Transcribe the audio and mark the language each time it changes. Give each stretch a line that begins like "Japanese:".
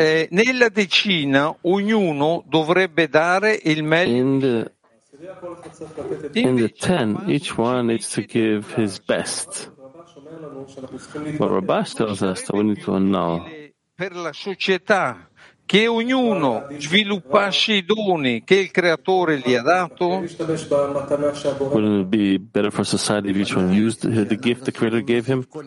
Italian: Nella decina ognuno dovrebbe dare il meglio.
English: In the ten, each one needs to give his best. But Rabash tells us that we need to annul.
Italian: Per la società, che ognuno sviluppasse I doni che il Creatore gli ha dato.
English: Wouldn't it be better for society if each one used the gift the Creator gave him?